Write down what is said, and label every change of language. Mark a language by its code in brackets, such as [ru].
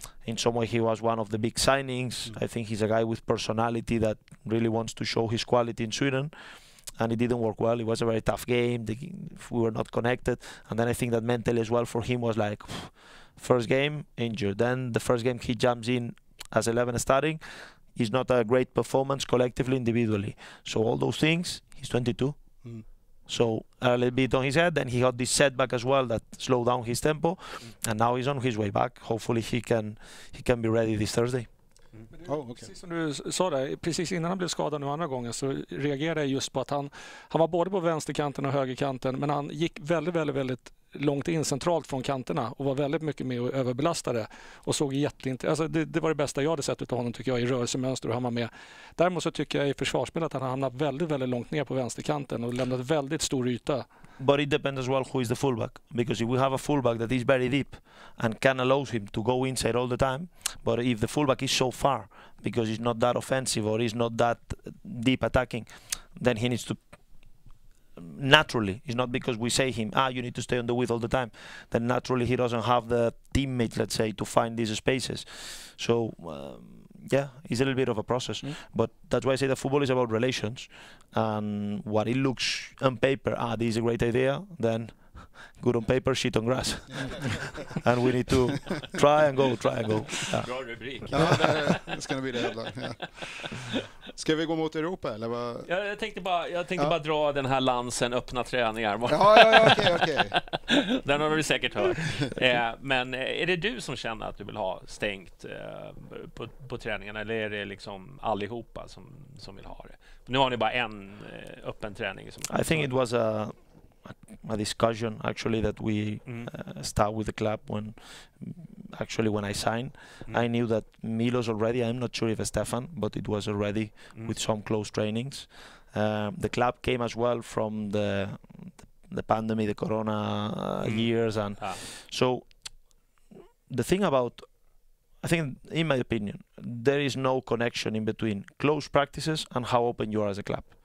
[en] In some way he was one of the big signings. I think he's a guy with personality that really wants to show his quality in Sweden, and it didn't work well. It was a very tough game, we were not connected, and then I think that mentally as well for him was like, first game injured, then the first game he jumps in as 11 starting, he's not a great performance collectively, individually. So all those things, he's 22. So a little bit on his head, then he got this setback as well that slowed down his tempo, and now he's on his way back. Hopefully he can be ready this Thursday. [sv] Precis som du sa där, precis innan han blev skadad nu andra gången, så reagerade jag just på att han var både på vänsterkanten och högerkanten, men han gick väldigt, väldigt, väldigt långt in centralt från kanterna och var väldigt mycket med och överbelastade och såg jätteintressant. Alltså det var det bästa jag hade sett utav honom, tycker jag, i rörelsemönster och han var med. Däremot så tycker jag i försvarsspel att han hamnat väldigt, väldigt långt ner på vänsterkanten och lämnat väldigt stor yta. [en] But it depends as well who is the fullback, because if we have a fullback that is very deep and can allow him to go inside all the time, but if the fullback is so far because he's not that offensive or he's not that deep attacking, then he needs to naturally, it's not because we say him, you need to stay on the width all the time, then naturally he doesn't have the teammate, let's say, to find these spaces. So it's a little bit of a process. But that's why I say that football is about relations, and what it looks on paper, this is a great idea, then good on paper, shit on grass. And we need to try and go. [sv] Yeah. Bra rubrik. [en] It's gonna be the headline. [sv] Ska vi gå mot Europa eller vad? Ja, jag tänkte bara dra den här lansen, öppna träningar. Okej. Den har vi säkert hört. Men är det du som känner att du vill ha stängt på träningarna, eller är det liksom allihopa som vill ha det? Nu har ni bara en öppen träning. [en] I think it was a discussion actually that we start with the club when I signed. I knew that Milos already, I'm not sure if Stefan, but it was already with some close trainings. The club came as well from the pandemic, the corona years, and so the thing about, I think in my opinion, there is no connection in between close practices and how open you are as a club.